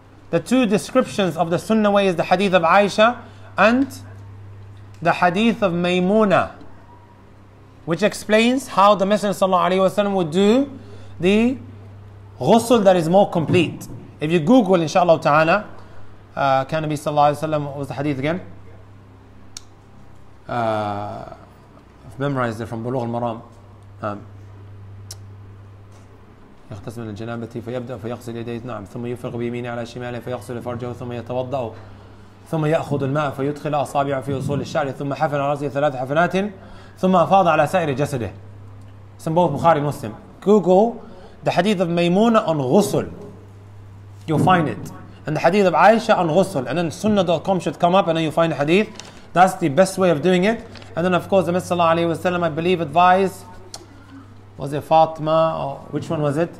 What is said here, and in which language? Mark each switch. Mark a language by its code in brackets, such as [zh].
[en] The two descriptions of the sunnah way is the hadith of Aisha and the hadith of Maymuna, which explains how the Messenger ﷺ would do the ghusl that is more complete. If you Google, inshallah ta'ala, can Nabi sallallahu alayhi wa sallam, what was the hadith again? I've memorized it from Bulugh al-Maram. [ar] يغتسل الجنابة فيبدأ فيغسل يديه نعم ثم يفرغ بيمينه على شماله فيغسل فرجه ثم يتوضأ ثم يأخذ الماء فيدخل أصابعه في أصول الشعر ثم حفن رأسه ثلاث حفنات ثم أفاض على سائر جسده. [en] It's in both Bukhari and Muslim. Google the hadith of Maymuna on ghusl. You'll find it. And the hadith of Aisha on ghusl. And then sunnah.com should come up and then you find the hadith. That's the best way of doing it. And then of course the Messenger of Allah sallallahu alayhi wa sallam, I believe, advised, was it Fatima or which one was it?